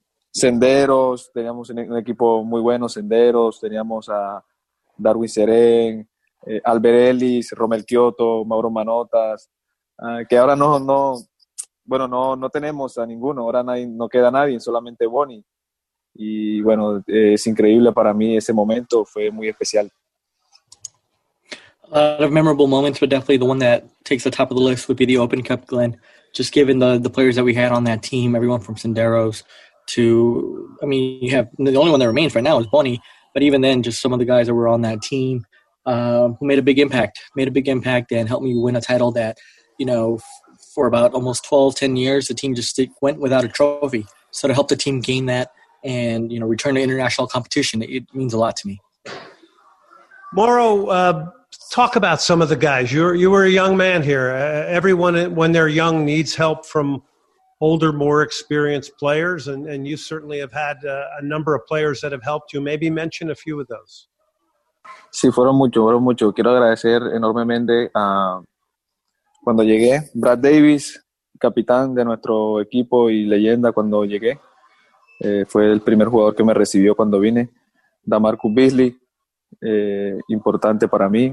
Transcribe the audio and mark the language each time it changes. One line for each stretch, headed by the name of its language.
Spanish: Senderos, teníamos un equipo muy bueno, Senderos, teníamos a Darwin Serén, Albert Ellis, Romel Kioto, Mauro Manotas, que ahora no tenemos a ninguno, ahora no queda nadie, solamente Bonnie. Y bueno, es increíble para mí ese momento, fue muy especial.
English: A lot of memorable moments, but definitely the one that takes the top of the list would be the Open Cup, Glenn. Just given the players that we had on that team, everyone from Senderos to, I mean, you have the only one that remains right now is Bonnie, but even then, just some of the guys that were on that team who made a big impact and helped me win a title that, you know, for about almost 12, 10 years, the team just went without a trophy. So to help the team gain that, and, you know, return to international competition, it means a lot to me. Mauro, talk about some of the guys. You were a young man here. Everyone, when they're young, needs help from older, more experienced players, and you certainly have had a number of players that have helped you. Maybe mention a few of those.
Spanish: Sí, fueron mucho. Quiero agradecer enormemente a cuando llegué, Brad Davis, capitán de nuestro equipo y leyenda cuando llegué. Fue el primer jugador que me recibió cuando vine. DaMarcus Beasley, importante para mí.